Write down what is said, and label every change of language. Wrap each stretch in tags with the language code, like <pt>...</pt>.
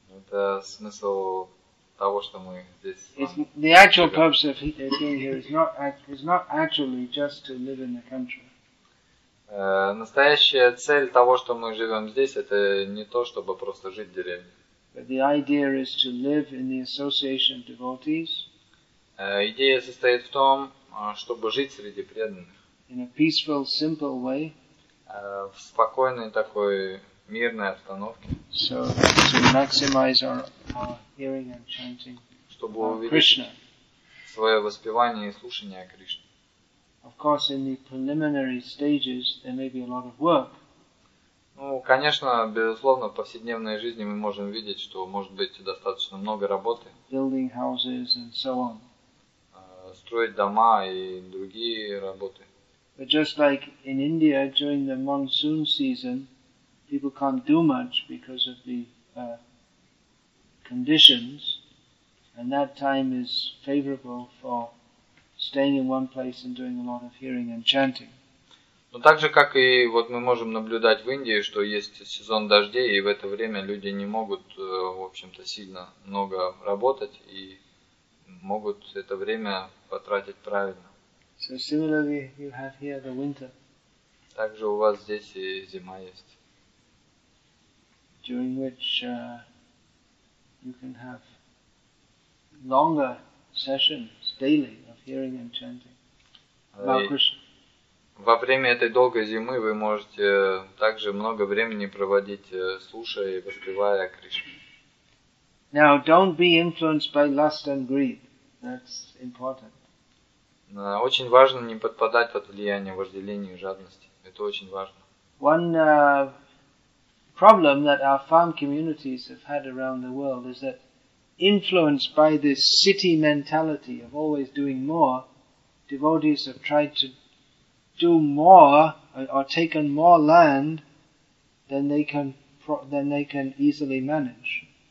<ru>Это смысл того, что мы здесь.</ru> <en>The actual purpose of being here is not actually just to live in the country.</en> <ru>Настоящая цель того, что мы живем здесь, это не то, чтобы просто жить в деревне.</ru> <en>But the idea is to live in the association of devotees.</en> <ru>Идея состоит в том, чтобы жить среди преданных.</ru> <en>In a peaceful, simple way.</en> <ru>В спокойной такой мирной обстановке.</ru> <en>So to maximize our hearing and chanting.</en> <ru>Чтобы увеличить свое воспевание и слушание Кришны.</ru> <en>Of course, in the preliminary stages, there may be a lot of work.</en> <ru>Ну, конечно, безусловно, в повседневной жизни мы можем видеть, что может быть достаточно много работы.</ru> <en>Building houses and so on.</en> <ru>Строить дома и другие работы.</ru> <en>But just like in India during the monsoon season, people can't do much because of the conditions, and that time is favorable for staying in one place and doing a lot of hearing and chanting.</en> <ru>Но так же, как и вот мы можем наблюдать в Индии, что есть сезон дождей, и в это время люди не могут, в общем-то, сильно много работать, и могут это время потратить правильно.</ru> <en>So similarly, you have here the winter.</en> <ru>Также у вас здесь и зима есть.</ru> <en>During which you can have longer sessions daily of hearing and chanting.</en> <ru>Во время этой долгой зимы вы можете также много времени проводить, слушая и воспевая Кришну.</ru> <en>Now, don't be influenced by lust and greed. That's important.</en> <ru>Очень важно не подпадать под влияние вожделения и жадности. Это очень важно.</ru> <en>One problem that our farm communities have had around the world is that influenced by this city mentality of always doing more, devotees have tried to do more or taken more land than they can easily manage.</en>